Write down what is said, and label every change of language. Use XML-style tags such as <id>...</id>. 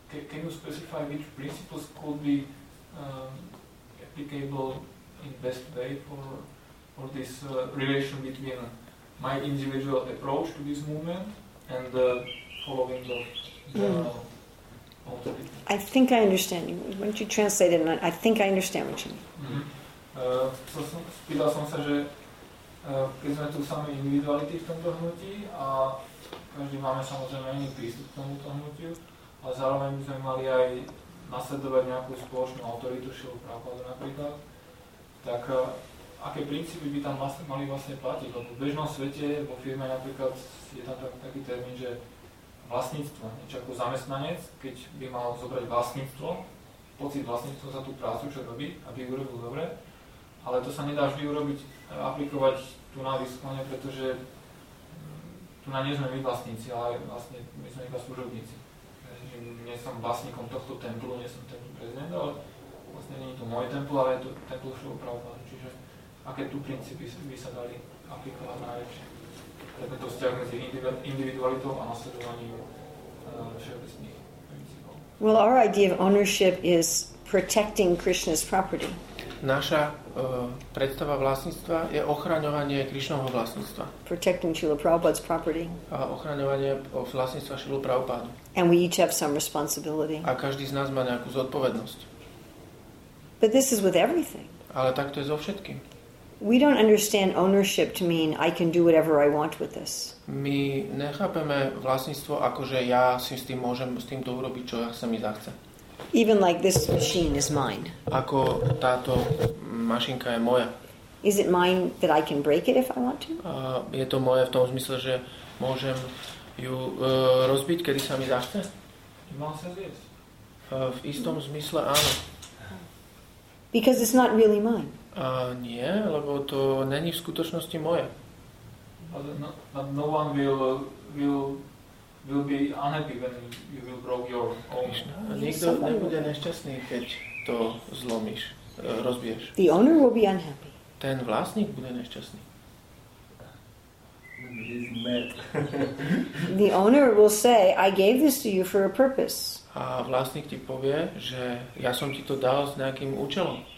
<en>Can you specify which principles could be applicable in best way for this relation between my individual approach to this movement and the following of general authority? I think I understand you. Why don't you translate it? And I think I understand what you mean. Mm-hmm.</en> <sk>Spýtal som sa, že keď sme tu sami individuality v tomto hnutí a každý máme samozrejme iný prístup k tomuto hnutiu, a zároveň by sme mali aj nasledovať nejakú spoločnú autoritu Šilu Prabhupada napríklad, tak aké princípy by tam mali vlastne platiť? Lebo v bežnom svete, vo firme napríklad, je tam taký termín, že vlastníctvo, niečo ako zamestnanec, keď by mal zobrať vlastníctvo, pocit vlastníctva za tú prácu, čo robí, aby ju urobil dobre, ale to sa nedá vždy urobiť, aplikovať tu na výskone, pretože tu na nie sme my vlastníci, ale vlastne my sme iba služobníci. Nie som vlastníkom tohto templu, nie som templu prezident, ale vlastne nie je to môj templ, ale je to templ všetko pravopadne. Čiže aké tu princípy by sa dali aplikovať najlepšie? Takže to vzťah medzi individualitou a nasledovaním všeobecných princípov.</sk> <en>Well, our idea of ownership is protecting Krishna's property.</en> <sk>Naša predstava vlastníctva je ochraňovanie Krišnovho vlastníctva.</sk> <en>Protecting Srila Prabhupada's property.</en> <sk>A ochraňovanie vlastníctva Srila Prabhupada.</sk> <en>And we each have some responsibility.</en> <sk>A každý z nás má nejakú zodpovednosť.</sk> <en>But this is with everything.</en> <sk>Ale tak to je so všetkým.</sk> <en>We don't understand ownership to mean I can do whatever I want with this.</en> <sk>My nechápeme vlastníctvo ako, že ja si s tým môžem s týmto urobiť, čo ja sa mi zachce.</sk> <en>Even like this machine is mine.</en> <sk>Ako táto mašinka je moja.</sk> <en>Is it mine that I can break it if I want to?</en> <sk>Je to moje v tom zmysle, že môžem ju rozbiť, kedy sa mi zachce? V istom zmysle áno.</sk> <en>Because it's not really mine.</en> <sk>Nie, lebo to není v skutočnosti moje.</sk> <en>But no one will be unhappy when you will broke your own.</en> <sk>Nikto nebude nešťastný, keď to zlomíš, rozbiješ.</sk> <en>The owner will be unhappy.</en> <sk>Ten vlastník bude nešťastný.</sk> <en>He's mad. The owner will say, I gave this to you for a purpose.</en> <sk>A vlastník ti povie, že ja som ti to dal s nejakým účelom.</sk>